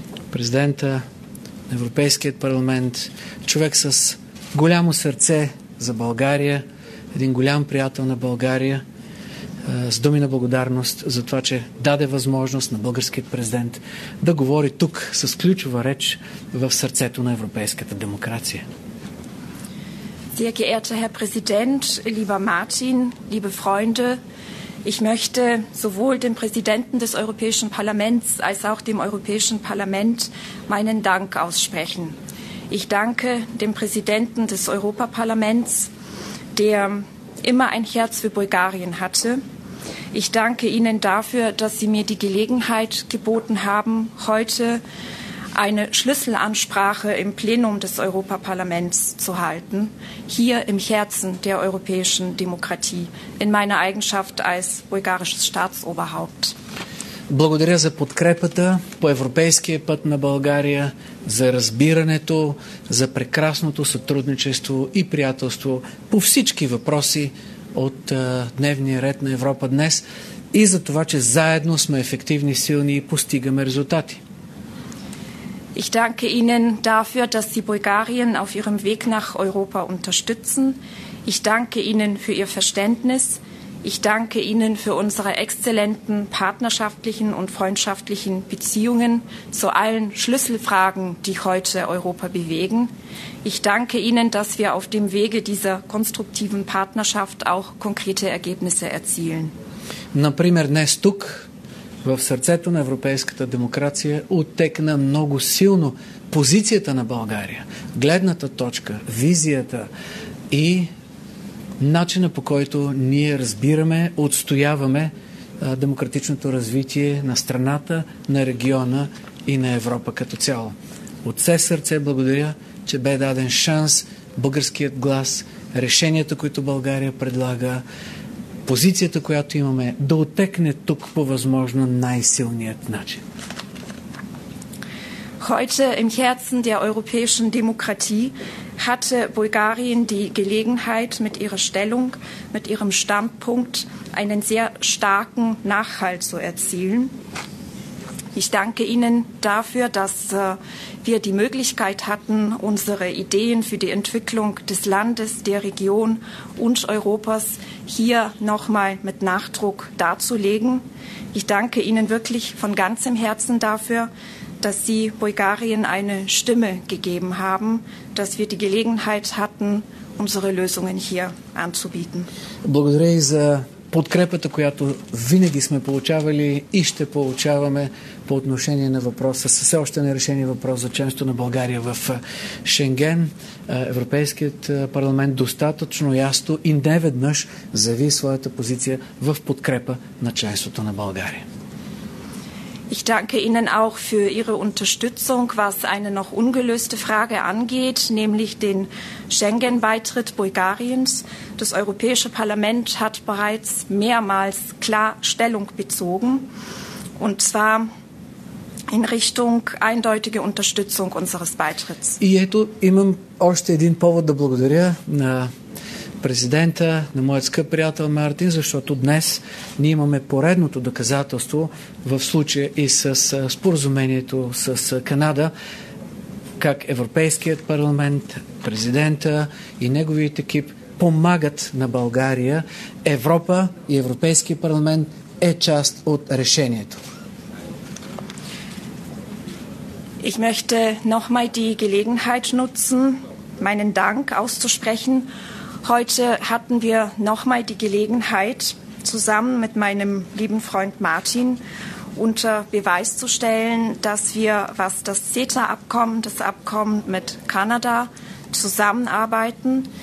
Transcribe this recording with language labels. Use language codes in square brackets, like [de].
[bg] президента на Европейският парламент, човек с голямо сърце за България, един голям приятел на България, с думи на благодарност за това, че даде възможност на българският президент да говори тук с ключова реч в сърцето на европейската демокрация. [de] Sehr geehrter Herr Präsident, lieber Martin, liebe Freunde, ich möchte sowohl dem Präsidenten des Europäischen Parlaments als auch dem Europäischen Parlament meinen Dank aussprechen. Ich danke dem Präsidenten des Europaparlaments, der immer ein Herz für Bulgarien hatte. Ich danke Ihnen dafür, dass Sie mir die Gelegenheit geboten haben, heute eine Schlüsselansprache im Plenum des Europaparlaments zu halten, hier im Herzen der europäischen Demokratie, in meiner Eigenschaft als bulgarisches Staatsoberhaupt. [bg] Благодаря за подкрепата по европейския път на България, за разбирането, за прекрасното сътрудничество и приятелство по всички въпроси от дневния ред на Европа днес и за това, че заедно сме ефективни, силни и постигаме резултати. [de] Ich danke Ihnen dafür, dass Sie Bulgarien auf Ihrem Weg nach Europa unterstützen. Ich danke Ihnen für Ihr Verständnis. Ich danke Ihnen für unsere exzellenten partnerschaftlichen und freundschaftlichen Beziehungen zu allen Schlüsselfragen, die heute Europa bewegen. Ich danke Ihnen, dass wir auf dem Wege dieser konstruktiven Partnerschaft auch konkrete Ergebnisse erzielen. [bg] Например, днес тук, в сърцето на европейската демокрация, утекна много силно позицията на България, гледната точка, визията и начина, по който ние разбираме, отстояваме демократичното развитие на страната, на региона и на Европа като цяло. От все сърце благодаря, че бе даден шанс българският глас, решенията, които България предлага, позицията, която имаме, да отекне тук по възможно най-силният начин. [de] Heute im Herzen der europäischen Demokratie hatte Bulgarien die Gelegenheit, mit ihrer Stellung, mit ihrem Standpunkt einen sehr starken Nachhall zu erzielen. Ich danke Ihnen dafür, dass wir die Möglichkeit hatten, unsere Ideen für die Entwicklung des Landes, der Region und Europas hier nochmal mit Nachdruck darzulegen. Ich danke Ihnen wirklich von ganzem Herzen dafür, dass Sie Bulgarien eine Stimme gegeben haben, dass wir die Gelegenheit hatten, unsere Lösungen hier anzubieten. [bg] Благодаря и за подкрепата, която винаги сме получавали и ще получаваме по отношение на въпроса, все още нерешени въпрос за членство на България в Шенген. Европейският парламент достатъчно ясно и неведнъж заяви своята позиция в подкрепа на членството на България. [de] Ich danke Ihnen auch für Ihre Unterstützung, was eine noch ungelöste Frage angeht, nämlich den Schengen-Beitritt Bulgariens. Das Europäische Parlament hat bereits mehrmals klar Stellung bezogen, und zwar in Richtung eindeutige Unterstützung unseres Beitritts. [bg] И ето, имам още един повод да благодаря на президента, на моят скъп приятел Мартин, защото днес ние имаме поредното доказателство в случая и с споразумението с Канада, как Европейският парламент, президента и неговият екип помагат на България. Европа и Европейският парламент е част от решението. [de] Ich möchte nochmal die Gelegenheit nutzen, meinen Dank auszusprechen. Heute hatten wir nochmal die Gelegenheit, zusammen mit meinem lieben Freund Martin unter Beweis zu stellen, dass wir, was das CETA-Abkommen, das Abkommen mit Kanada, zusammenarbeiten.